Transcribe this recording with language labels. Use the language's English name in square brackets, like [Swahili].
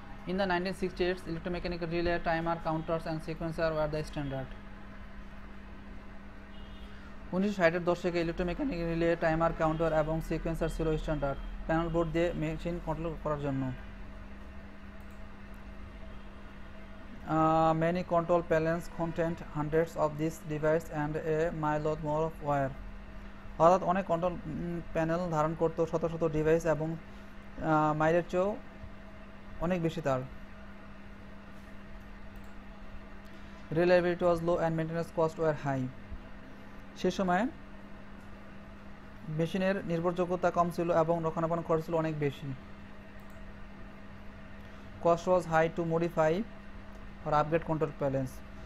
[English] In the 1968 electromechanical relay timer counters and sequencer were the standard. [Bangla] 1960-এর দশকে electromechanical relay timer counter এবং sequencer ছিল standard panel board দিয়ে machine control করার জন্য। [English] Many control panels contained hundreds of these devices and a mile or more of wire. [Bangla] অর্থাৎ অনেক control panel ধারণ করত শত শত ডিভাইস এবং মাইলের চেয়েও অনেক বেশি তার। [English] Reliability was low and maintenance cost were high. [Bangla] সে সময় মেশিনের নির্ভরযোগ্যতা কম ছিল এবং রক্ষণাবেক্ষণ খরচ ছিল অনেক বেশি। [English] cost was high to modify or upgrade control panels.